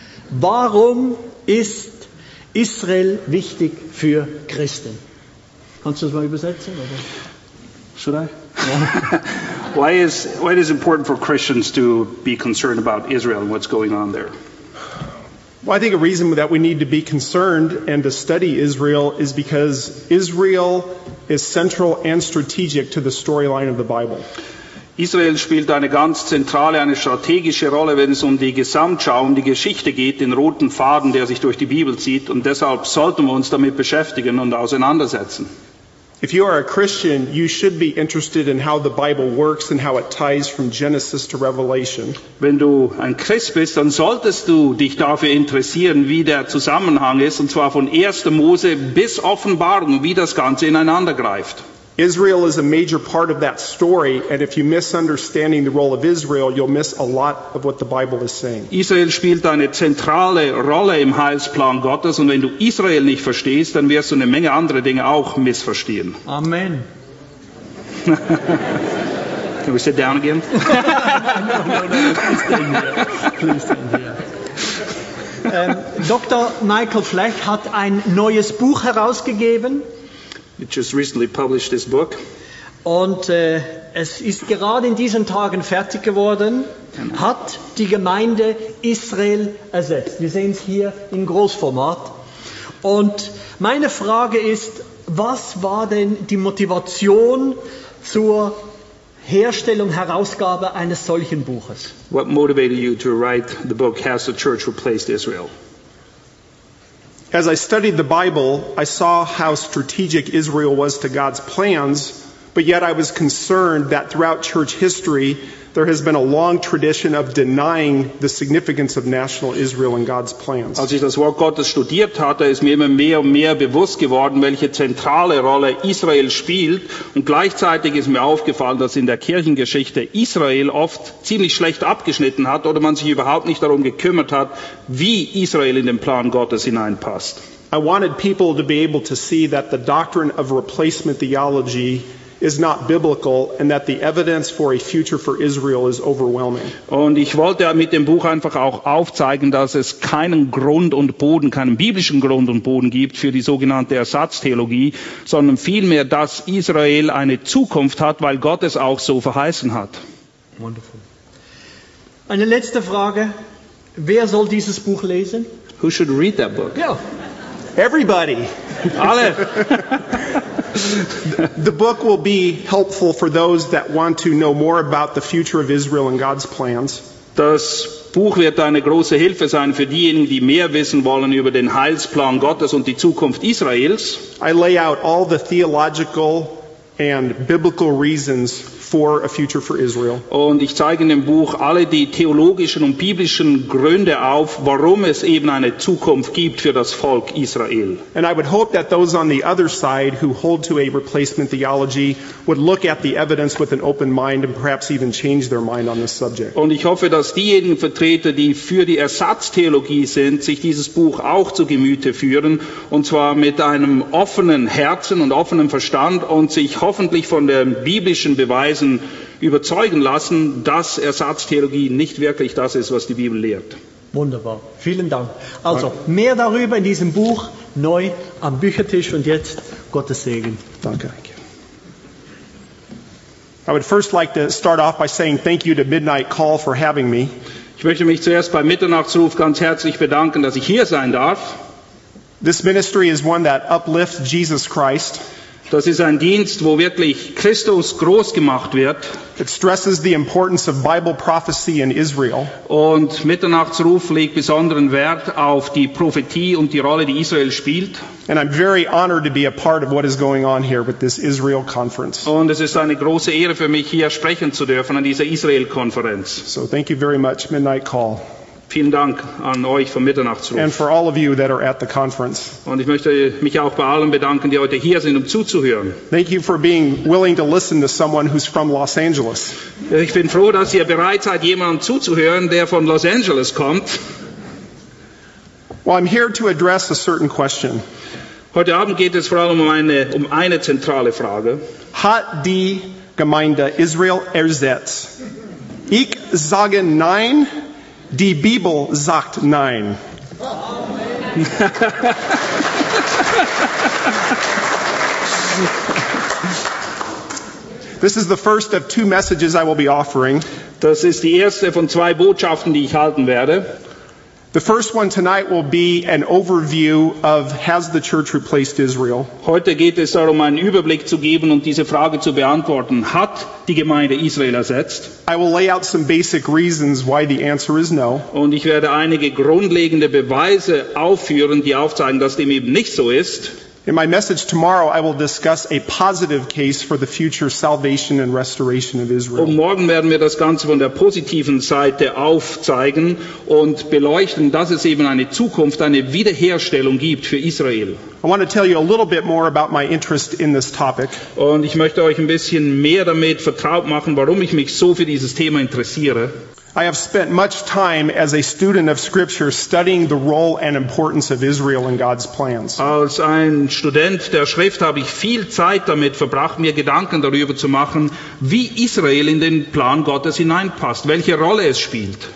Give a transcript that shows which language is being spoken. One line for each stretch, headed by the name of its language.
German: Warum ist Israel wichtig für Christen? Kannst du das mal übersetzen? Oder?
English: Should I? Yeah. Why is it important for Christians to be concerned about Israel and what's going on there? Well, I think a reason that we need to be concerned and to study Israel is because Israel is central and strategic to the storyline of the Bible.
German: Israel spielt eine ganz zentrale, eine strategische Rolle, wenn es um die Gesamtschau, um die Geschichte geht, den roten Faden, der sich durch die Bibel zieht. Und deshalb sollten wir uns damit beschäftigen und auseinandersetzen.
English: If you are a Christian, you should be interested in how the Bible works and how it ties from Genesis to Revelation.
German: Wenn du ein Christ bist, dann solltest du dich dafür interessieren, wie der Zusammenhang ist, und zwar von 1. Mose bis Offenbarung, wie das Ganze ineinander greift.
English: Israel is a major part of that story, and if you misunderstanding the role of Israel, you'll miss a lot of what the Bible is saying.
German: Israel spielt eine zentrale Rolle im Heilsplan Gottes, und wenn du Israel nicht verstehst, dann wirst du eine Menge andere Dinge auch missverstehen. Amen.
English: Can we sit down again?
German: Dr. Michael Flech hat ein neues Buch herausgegeben.
English: It just recently published this book.
German: Und es ist gerade in diesen Tagen fertig geworden, hat die Gemeinde Israel ersetzt. Wir sehen es hier in Großformat. Und meine Frage ist, was war denn die Motivation zur Herstellung, Herausgabe eines solchen Buches?
English: What motivated you to write the book, Has the Church Replaced Israel? As I studied the Bible, I saw how strategic Israel was to God's plans, but yet I was concerned that throughout church history, there has been a long tradition of denying the significance of national Israel in God's plans.
German: Als ich das Wort Gottes studiert hatte, ist mir immer mehr und mehr bewusst geworden, welche zentrale Rolle Israel spielt. Und gleichzeitig ist mir aufgefallen, dass in der Kirchengeschichte Israel oft ziemlich schlecht abgeschnitten hat oder man sich überhaupt nicht darum gekümmert hat, wie Israel in den Plan Gottes hineinpasst.
English: I wanted people to be able to see that the doctrine of replacement theology is not biblical, and that the evidence for a future for Israel is overwhelming.
German: Und ich wollte mit dem Buch einfach auch aufzeigen, dass es keinen Grund und Boden, keinen biblischen Grund und Boden gibt für die sogenannte Ersatztheologie, sondern vielmehr, dass Israel eine Zukunft hat, weil Gott es auch so verheißen hat.
English: Wonderful.
German: Eine letzte Frage. Wer soll dieses Buch lesen?
English: Who should read that book?
German: Ja.
English: Everybody.
German: Alle.
English: The book will be helpful for those that want to know more about the future of Israel and God's plans.
German: Das Buch wird eine große Hilfe sein für diejenigen, die mehr wissen wollen über den Heilsplan Gottes und die Zukunft Israels.
English: I lay out all the theological and biblical reasons for a future for Israel.
German: Und ich zeige in dem Buch alle die theologischen und biblischen Gründe auf, warum es eben eine Zukunft gibt für das Volk Israel.
English: And I would hope that those on the other side who hold to a replacement theology would look at the evidence with an open mind and perhaps even change their mind on this subject.
German: Und ich hoffe, dass diejenigen Vertreter, die für die Ersatztheologie sind, sich dieses Buch auch zu Gemüte führen, und zwar mit einem offenen Herzen und offenem Verstand und sich hoffentlich von dem biblischen Beweis überzeugen lassen, dass Ersatztheologie nicht wirklich das ist, was die Bibel lehrt. Wunderbar, vielen Dank. Also danke. Mehr darüber in diesem Buch, neu am Büchertisch, und jetzt Gottes Segen. Danke.
English: I would first like to start off by saying thank you to Midnight Call for having me.
German: Ich möchte mich zuerst bei Mitternachtsruf ganz herzlich bedanken, dass ich hier sein darf.
English: This ministry is one that uplifts Jesus Christ.
German: Das ist ein Dienst, wo wirklich Christus groß gemacht wird.
English: It stresses the importance of Bible prophecy in Israel.
German: Und Mitternachtsruf legt besonderen Wert auf die Prophetie und die Rolle, die Israel spielt.
English: And I'm very honored to be a part of what is going on here with this Israel conference.
German: Und es ist eine große Ehre für mich, hier sprechen zu dürfen an dieser Israel-Konferenz.
English: So thank you very much, Midnight Call.
German: Vielen Dank an euch vom Mitternachtsruf.
English: And for all of you that are at the conference.
German: Und ich möchte mich auch bei allen bedanken, die heute hier sind, um zuzuhören.
English: Thank you for being willing to listen to someone who's from Los Angeles.
German: Ich bin froh, dass ihr bereit seid, jemandem zuzuhören, der von Los Angeles kommt.
English: Well, I'm here to address a certain question.
German: Heute Abend geht es vor allem um eine zentrale Frage. Hat die Gemeinde Israel ersetzt? Ich sage nein. Die Bibel sagt nein.
English: This is the first of two messages I will be offering.
German: Das ist die erste von zwei Botschaften, die ich halten werde.
English: The first one tonight will be an overview of has the church replaced Israel?
German: Heute geht es darum, einen Überblick zu geben und diese Frage zu beantworten. Hat die Gemeinde Israel ersetzt?
English: I will lay out some basic reasons why the answer is no.
German: Und ich werde einige grundlegende Beweise aufführen, die aufzeigen, dass dem eben nicht so ist.
English: In my message tomorrow, I will discuss a positive case for the future salvation and restoration of Israel.
German: Und morgen werden wir das Ganze von der positiven Seite aufzeigen und beleuchten, dass es eben eine Zukunft, eine Wiederherstellung gibt für Israel.
English: I want to tell you a little bit more about my interest in this topic.
German: Und ich möchte euch ein bisschen mehr damit vertraut machen, warum ich mich so für dieses Thema interessiere.
English: I have spent much time as a student of Scripture studying the role and importance of Israel in God's plans.
German: Als ein Student der Schrift habe ich viel Zeit damit verbracht, mir Gedanken darüber zu machen, wie Israel in den Plan Gottes hineinpasst, welche Rolle es spielt.